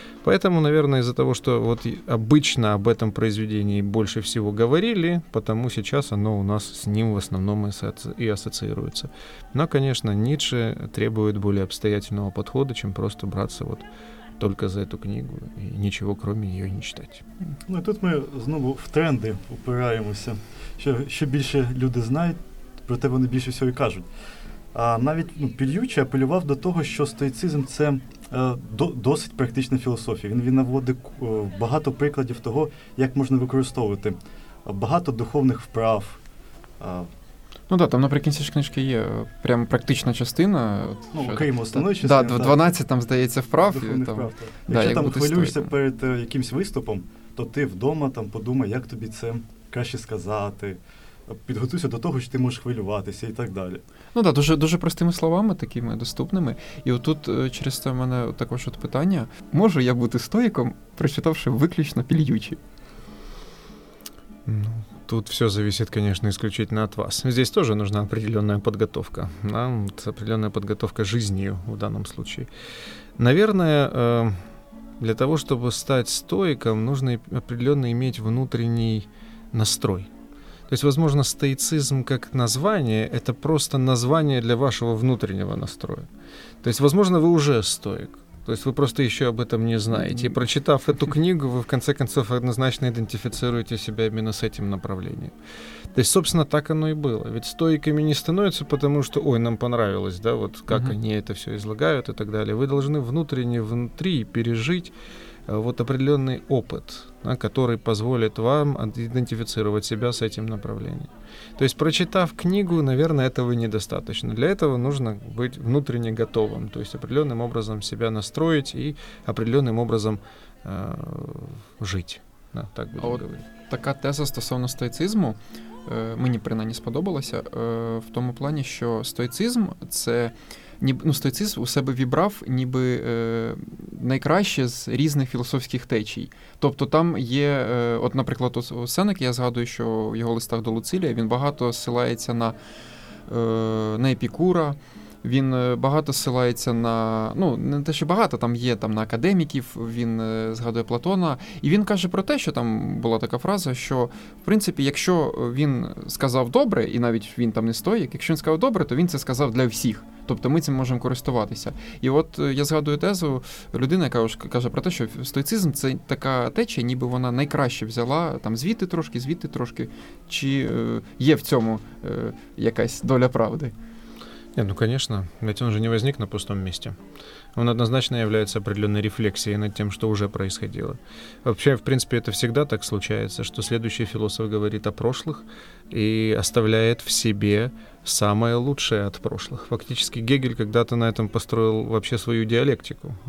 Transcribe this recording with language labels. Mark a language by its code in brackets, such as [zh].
[ru] Поэтому, наверное, из-за того, что вот обычно об этом произведении больше всего говорили, потому сейчас оно у нас с ним в основном и ассоциируется. Но, конечно, Ницше требует более обстоятельного подхода, чем просто браться вот только за эту книгу и ничего кроме нее не читать. Ну, тут мы знову в тренды упираемся. [uk] Ще більше люди знають, про те вони більше всього і кажуть. А навіть ну, Пільючий апелював до того, що стоїцизм – це досить практична філософія. Він наводить багато прикладів того, як можна використовувати багато духовних вправ. Ну так, да, там наприкінці ж книжки є прям практична частина. Ну, окрім основної частини. Так, 12 там, здається, вправ. Якщо там хвилюєшся перед якимось виступом, то ти вдома там подумай, як тобі це краще сказати, підготуйся до того, що ти можеш хвилюватися і так далі. Ну так, да, дуже простими словами, такими доступними. І отут через це в мене також от питання. Можу я бути стоїком, прочитавши виключно Пільючий? Ну... [ru] Тут все зависит, конечно, исключительно от вас. Здесь тоже нужна определенная подготовка. Да? Вот определенная подготовка жизнью в данном случае. Наверное, для того, чтобы стать стоиком, нужно определенно иметь внутренний настрой. То есть, возможно, стоицизм как название — это просто название для вашего внутреннего настроя. То есть, возможно, вы уже стоик. То есть вы просто еще об этом не знаете. И прочитав эту книгу, вы в конце концов однозначно идентифицируете себя именно с этим направлением. То есть, собственно, так оно и было. Ведь стоиками не становятся, потому что, ой, нам понравилось, да, вот как они это все излагают и так далее. Вы должны внутренне, внутри пережить вот определенный опыт, да, который позволит вам идентифицировать себя с этим направлением. То есть, прочитав книгу, наверное, этого недостаточно. Для этого нужно быть внутренне готовым, то есть определенным образом себя настроить и определенным образом жить. Да, так будем говорить. [uk] Така теза стосовно стоїцизму мені принаймні сподобалася в тому плані, що стоїцизм — це... Ну, стоїцизм у себе вібрав ніби найкраще з різних філософських течій. Тобто там є, от, наприклад, Сенек, я згадую, що в його листах до Луцилія, він багато ссилається на Епікура, він багато ссилається на, ну, не те, що багато, там є там, на академіків, він згадує Платона. І він каже про те, що там була така фраза, що, в принципі, якщо він сказав добре, і навіть він там не стоїк, якщо він сказав добре, то він це сказав для всіх. Тобто ми цим можемо користуватися. І от я згадую тезу людини, яка вже каже про те, що стоїцизм – це така течія, ніби вона найкраще взяла там звідти трошки, чи є в цьому якась доля правди? Ні, ну, звісно, ведь він же не возник на пустому місці. [ru] Он однозначно является определенной рефлексией над тем, что уже происходило. Вообще, в принципе, это всегда так случается, что следующий философ говорит о прошлых и оставляет в себе самое лучшее от прошлых. Фактически Гегель когда-то на этом построил вообще свою диалектику.